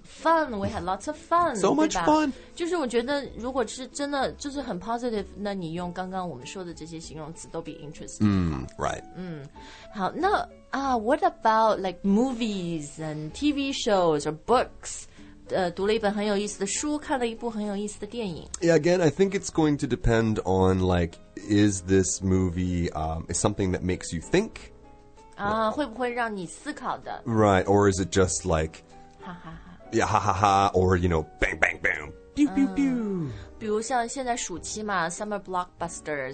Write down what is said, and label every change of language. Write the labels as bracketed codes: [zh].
[en] fun. We had lots of fun. So much fun. [zh] 就是我觉得，如果是真的，就是很 positive， 那你用刚刚我们说的这些形容词都比 interesting. [en] Right. 好，那what about like movies and TV shows or books? [zh] 读了一本很有意思的书，看了一部很有意思的电影。 [en] Yeah, again, I think it's going to depend on, like, is this movie, is something that makes you think? [zh] 啊、 [en] no. [zh] 会不会让你思考的 [en] Right, or is it just like, 哈哈哈 Yeah, 哈哈哈 or, you know, bang, bang, bang, pew, pew, pew. [zh] 比如像现在暑期嘛 [en] summer blockbusters,